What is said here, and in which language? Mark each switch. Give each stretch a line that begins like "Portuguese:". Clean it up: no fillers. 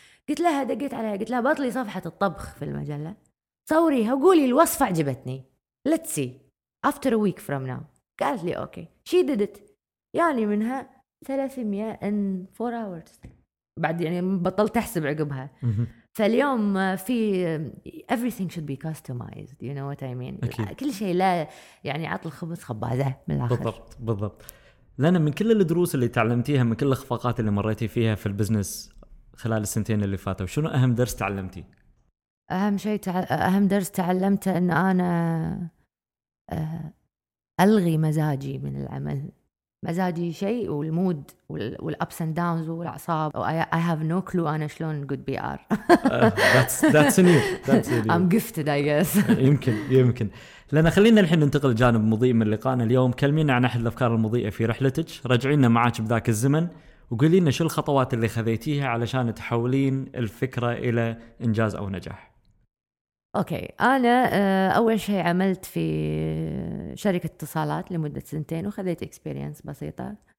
Arabic: قلت لها، دقيت عليها قلت لها بطلي صفحة الطبخ في المجلة صوريها وقولي الوصفة عجبتني
English: let's see after a week from now.
Arabic: قالت لي أوكي.
English: She did it.
Arabic: يعني منها
English: 300 in 4 hours.
Arabic: بعد يعني بطلت أحسب عقبها. فاليوم في
English: everything should be customized. You know what I mean.
Arabic: كل شيء لا يعني عط الخبز خبازة من الآخر. بالضبط بالضبط. لأن من كل الدروس اللي تعلمتيها من كل الخفقات اللي مريتي فيها في البزنس خلال السنتين اللي فاتوا، شنو أهم درس تعلمتي؟ أهم شيء أهم درس تعلمته إن أنا ألغي مزاجي من العمل، مزاجي شيء والمود والأبس and downs والأعصاب.
English: I have no clue
Arabic: أنا شلون
English: good PR. That's new. I'm gifted I guess.
Arabic: يمكن. لأن خلينا الحين ننتقل لجانب مضيء من لقائنا اليوم. كلمينا عن أحد الأفكار المضيئة في رحلتك. رجعينا معك بذاك الزمن وقولينا شو الخطوات اللي خذيتيها علشان تحولين الفكرة إلى إنجاز أو نجاح. أوكي أنا أول شيء عملت في شركة اتصالات لمدة سنتين وخذيت experience بسيطة.